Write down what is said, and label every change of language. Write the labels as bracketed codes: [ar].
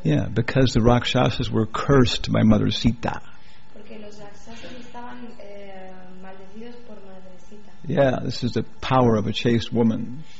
[en] Yeah, because the Rakshasas were cursed by Mother Sita. [es] Porque los Rakshasas estaban, maldecidos por Madre Sita. [en] Yeah, this is the power of a chaste woman.